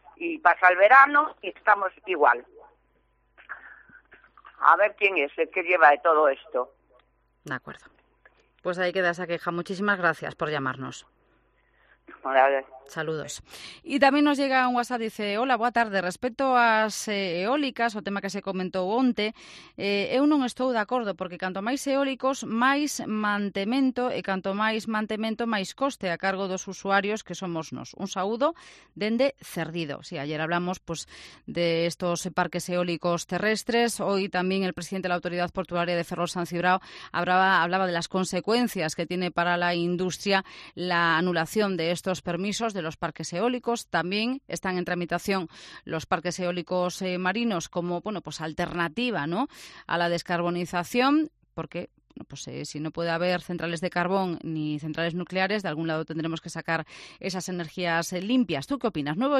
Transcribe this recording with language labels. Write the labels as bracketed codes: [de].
[es] Y pasa el verano y estamos igual. A ver quién es el que lleva de todo esto. De acuerdo. Pues ahí queda esa queja. Muchísimas gracias por llamarnos. Hola. Saludos. Y también nos llega un WhatsApp, dice, hola, [gl] boa tarde. Respecto ás eólicas, o tema que se comentou onte, eu non estou de acordo, porque canto máis eólicos, máis mantemento, e canto máis mantemento, máis coste a cargo dos usuarios que somos nos. Un saúdo dende Cerdido. [es] Si, ayer hablamos pues, de estos parques eólicos terrestres, hoy tamén el presidente da Autoridade Portuaria de Ferrol San Cibrao hablaba de las consecuencias que tiene para la industria la anulación de estos permisos de los parques eólicos. También están en tramitación los parques eólicos marinos como bueno pues alternativa, ¿no?, a la descarbonización, porque bueno, pues si no puede haber centrales de carbón ni centrales nucleares, de algún lado tendremos que sacar esas energías limpias. ¿Tú qué opinas?